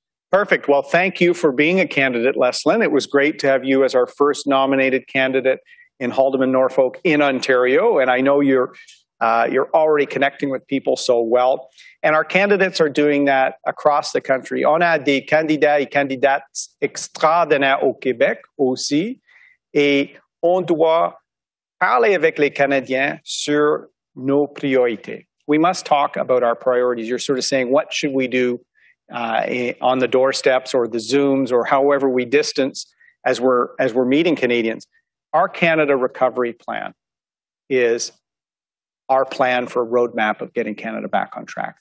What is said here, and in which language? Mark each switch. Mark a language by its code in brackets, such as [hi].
[en] Perfect. Well, thank you for being a candidate, Leslyn. It was great to have you as our first nominated candidate in Haldimand Norfolk in Ontario, and I know you're already connecting with people so well. And our candidates are doing that across the country. [fr] On a des candidats et candidates extraordinaires au Québec aussi, et on doit parler avec les Canadiens sur nos priorités. [en] We must talk about our priorities. You're sort of saying, what should we do on the doorsteps or the Zooms or however we distance as we're meeting Canadians? Our Canada Recovery Plan is our plan for a roadmap of getting Canada back on track.